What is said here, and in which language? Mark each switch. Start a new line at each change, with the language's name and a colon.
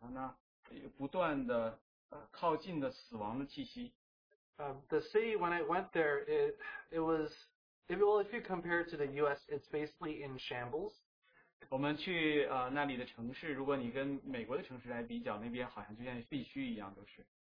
Chinese: 在我埃及的感受呢，就好像埃及整个的感受就好像呢，不断的。靠近的死亡的气息。
English: The city when I went there, if you compare it to the U.S., it's basically in shambles.
Chinese: 我们去那里的城市，如果你跟美国的城市来比较，那边好像就像废墟一样，都是。